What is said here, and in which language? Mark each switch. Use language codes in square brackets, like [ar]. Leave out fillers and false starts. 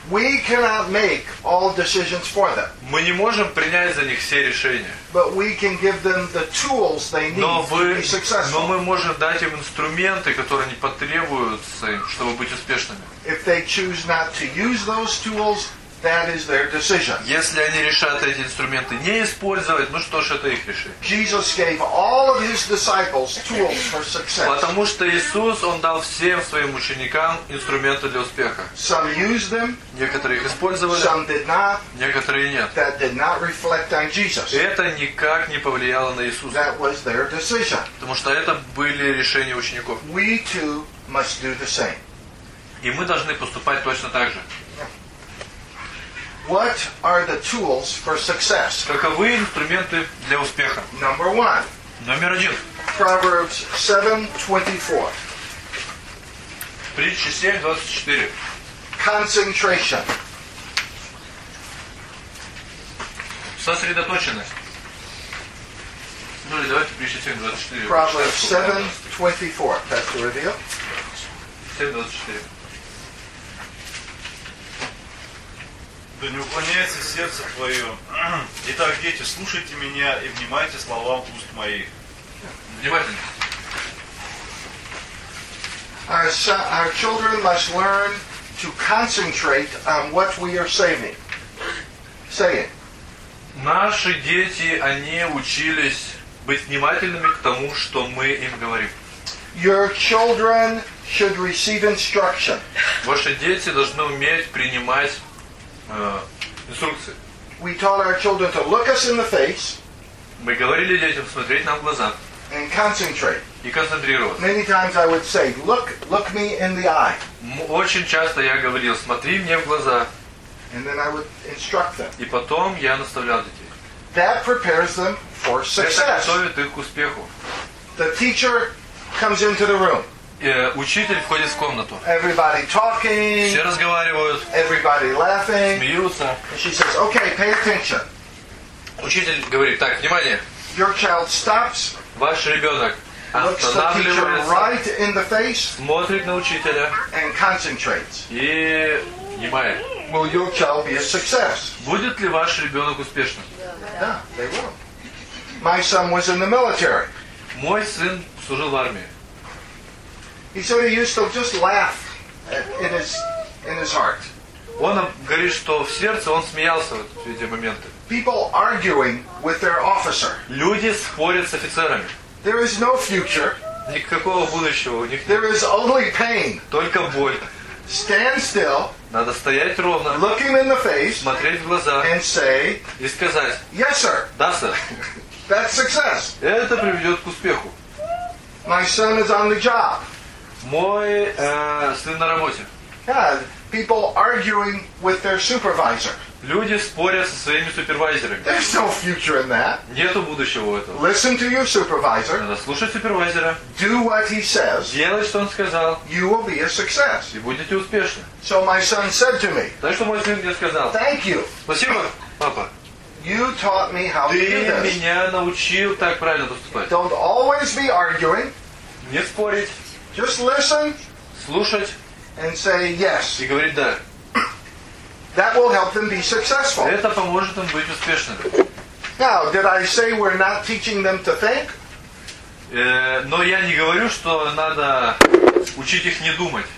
[en] We cannot make all decisions for them. [ru] Мы не можем принять за них все решения. [en] But we can give them the tools they need to be successful. [ru] Но мы можем дать им инструменты, которые они потребуются, чтобы быть успешными. [en] If they choose not to use those tools, That is their decision. [ru] Если они решат эти инструменты не использовать, ну что ж, это их решение. [en] Jesus gave all of his disciples tools for success. [ru] Потому что Иисус, он дал всем своим ученикам инструменты для успеха. [en] Some used them. [ru] Некоторые их использовали. [en] Some did not. [ru] Некоторые нет. [en] That did not reflect on Jesus. [ru] Это никак не повлияло на Иисуса. [en] That was their decision. [ru] Потому что это были решения учеников. [en] We too must do the same. [ru] И мы должны поступать точно так же. [en] What are the tools for success? [ru] Каковы инструменты для успеха? [en] Number one. [ru] Номер один. [en] Proverbs 7:24. [ru] Притчи 7:24. [en] Concentration. [ru] Сосредоточенность. Ну или давайте притчи 7:24. [en] Proverbs 7:24. Pastor Reveal. 7:24. [ru] Да не уклоняется сердце твое. Итак, дети, слушайте меня и внимайте словам уст моих. Внимательно. [en] Our children must learn to concentrate on what we are saying. Say it. [ru] Наши дети, они учились быть внимательными к тому, что мы им говорим. [en] Your children should receive instruction. [ru] Ваши дети должны уметь принимать инструкции. [en] We taught our children to look us in the face. [ru] Мы говорили детям смотреть нам в глаза. [en] And concentrate. [ru] И концентрироваться. [en] Many times I would say, look me in the eye. [ru] Очень часто я говорил, смотри мне в глаза. [en] And then I would instruct them. [ru] И потом я наставлял детей. [en] That prepares them for success. [ru] Это готовит их к успеху. [en] The teacher comes into the room. [ru] Учитель входит в комнату. [en] Everybody talking. [ru] Все разговаривают. [en] Everybody laughing. [ru] Смеются. [en] And she says, "Okay, pay attention." [ru] Учитель говорит: "Так, внимание." [en] Your child stops. [ru] Ваш ребенок останавливается. [en] Right in the face. [ru] Смотрит на учителя. [en] And concentrates. [ru] И внимает. [en] Will your child be a success? [ru] Будет ли ваш ребенок успешным? [en] Yeah, they will. My son was in the military. [ru] Мой сын служил в армии. [en] He said he used to just laugh in his heart. [ru] Он говорит, что в сердце он смеялся в эти моменты. [en] People arguing with their officer. [ru] Люди спорят с офицерами. [en] There is no future. [ru] Никакого будущего у них нет. [en] There is only pain. [ru] Только боль. [en] Stand still. [ru] Надо стоять ровно. [en] Look him in the face. [ru] Смотреть в глаза. [en] And say. [ru] И сказать. [en] Yes, sir. [ru] Да, сэр. [en] That's success. [ru] Это приведет к успеху. [en] My son is on the job. [ru] Мой сын на работе. [en] Yeah, people arguing with their supervisor. [ru] Люди спорят со своими супервайзерами. [en] There's no future in that. [ru] Нету будущего в этом. [en] Listen to your supervisor. [ru] Надо слушать супервайзера. [en] Do what he says. [ru] Делай, что он сказал. [en] You will be a success. [ru] И будете успешны. [en] So my son said to me. [ru] Так что мой сын мне сказал. [en] Thank you. [ru] Спасибо, папа. [en] You taught me how [ru] Ты [en] to do this. [ru] Ты меня научил так правильно поступать. [en] Don't always be arguing. [ru] Не спорить. [en] Just listen. [ru] Слушать. [en] And say yes. [ru] И говорить да. [en] That will help them be successful. [ru] Это поможет им быть успешными. [en] Now, did I say we're not teaching them to think? [ru] Но я не говорю, что надо учить их не думать.